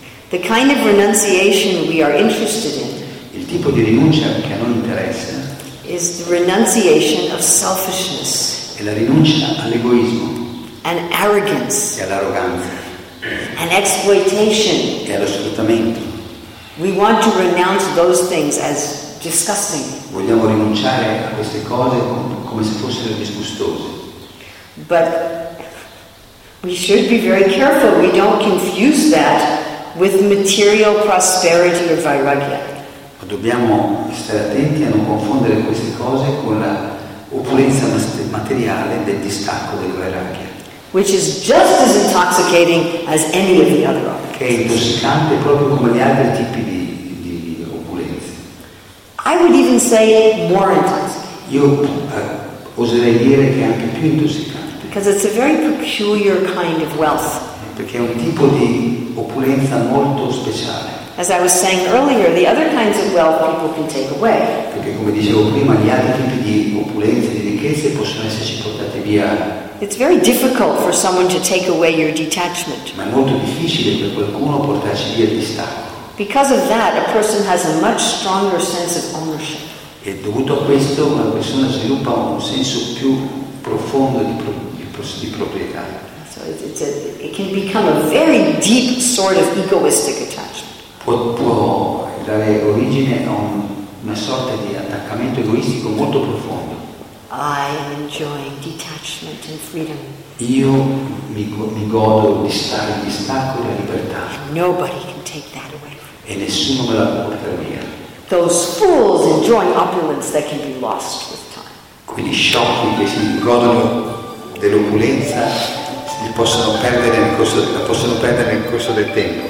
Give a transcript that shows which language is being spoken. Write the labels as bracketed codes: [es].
[en] The kind of renunciation we are interested in. [it] Il tipo di rinuncia che a noi interessa. [en] Is the renunciation of selfishness. [it] È la rinuncia all'egoismo. [en] And arrogance. [it] E all'arroganza. [en] And exploitation. [it] E allo sfruttamento. [en] We want to renounce those things as disgusting. [it] Vogliamo rinunciare a queste cose come se fossero disgustose. [en] But we should be very careful. We don't confuse that with material prosperity or vairagya. [it] Ma dobbiamo stare attenti a non confondere queste cose con la opulenza materiale del distacco del vairagya. [en] Which is just as intoxicating as any of the other opulences. [it] Che è intossicante proprio come gli altri tipi di opulenze. [en] I would even say more intoxicating. [it] Io oserei dire che è anche più intossicante. [en] Because it's a very peculiar kind of wealth. [it] Perché è un tipo di opulenza molto speciale. [en] As I was saying earlier, the other kinds of wealth people can take away. [it] Perché come dicevo prima, gli altri tipi di opulenze, di ricchezze possono esserci portate via. [en] It's very difficult for someone to take away your detachment. [it] Ma è molto difficile per qualcuno portarci via il distacco. [en] Because of that, a person has a much stronger sense of ownership. [it] E dovuto a questo, una persona sviluppa un senso più profondo di proprietà. [en] So it can become a very deep sort of egoistic attachment. [it] Può dare origine a una sorta di attaccamento egoistico molto profondo. [en] I am enjoying detachment and freedom. [it] Io mi godo di stare in distacco della libertà. [en] Nobody can take that away. [it] E nessuno me la può portare via. [en] Those fools enjoy opulence that can be lost with time. [it] Quegli sciocchi che si godono dell'opulenza la possono perdere nel corso del tempo.